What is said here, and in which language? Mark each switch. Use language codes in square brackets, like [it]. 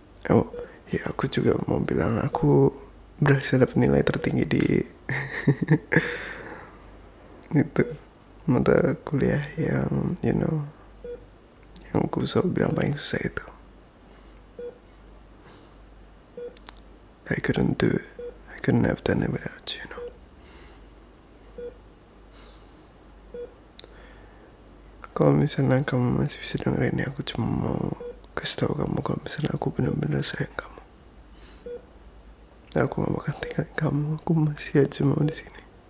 [id] Oh ya, aku juga mau bilang aku berhasil dapet nilai tertinggi di itu mata kuliah yang, [en] you know, [id] yang aku selalu bilang paling susah itu. [en] I couldn't do it. I couldn't have done it without you, you know. [id] Kalau misalnya kamu masih bisa dengerin ini, aku cuma mau kasih tau kamu kalau misalnya aku benar-benar sayang kamu. Aku gak bakal tinggalin kamu. Aku masih aja mau di sini.